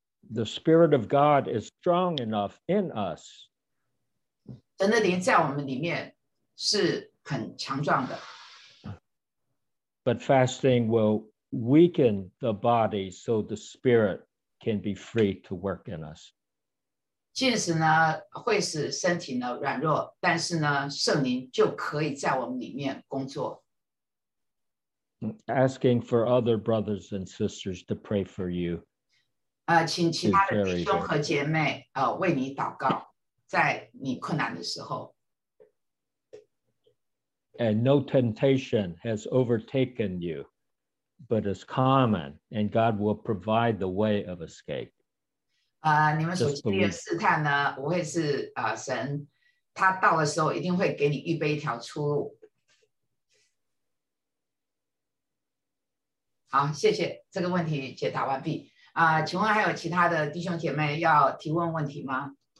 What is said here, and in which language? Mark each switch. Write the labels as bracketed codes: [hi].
[en] The Spirit of God is strong enough in us. [zh] 神的灵在我们里面是很强壮的。 [en] But fasting will weaken the body so the spirit can be free to work in us. [zh] 禁食呢会使身体呢软弱，但是呢圣灵就可以在我们里面工作。 [en] Asking for other brothers and sisters to pray for you. [zh] 请其他的弟兄和姐妹为你祷告，在你困难的时候。 [en] And no temptation has overtaken you. But it's common, and God will provide the way of escape. [zh] 你们所经历的试探呢，不会是神，他到的时候一定会给你预备一条出路。好，谢谢，这个问题解答完毕。请问还有其他的弟兄姐妹要提问问题吗？